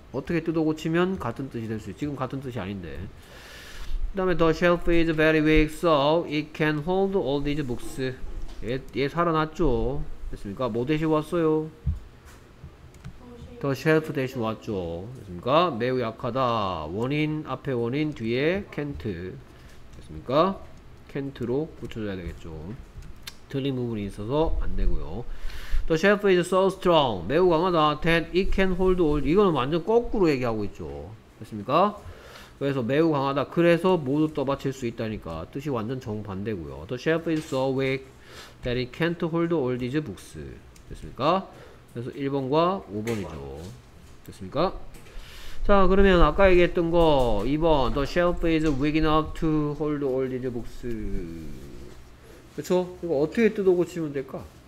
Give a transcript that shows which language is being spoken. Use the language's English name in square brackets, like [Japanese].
[Korean] 어떻게 뜯어 고치면 같은 뜻이 될 수 있지? 지금 같은 뜻이 아닌데. 그 다음에 [English] the shelf is very weak so it can hold all these books. [Korean] 얘 살아났죠. 됐습니까? 뭐 대신 왔어요? [English] the shelf [Korean] 대신 왔죠. 됐습니까? 매우 약하다. 원인 앞에 원인 뒤에 can't. 됐습니까? can't로 붙여줘야 되겠죠. 틀린 부분이 있어서 안 되고요. [English] the shelf is so strong. [Korean] 매우 강하다. [English] that it can hold all. [Korean] 이거는 완전 거꾸로 얘기하고 있죠. 됐습니까? 그래서 매우 강하다. 그래서 모두 떠받칠 수 있다니까. 뜻이 완전 정반대고요. [English] The shelf is so weak that it can't hold all these books. [Korean] 됐습니까? 그래서 1번과 5번이죠. 됐습니까? 자, 그러면 아까 얘기했던 거 2번. [English] The shelf is weak enough to hold all these books. [Korean] 그쵸? 이거 어떻게 뜯어 고치면 될까?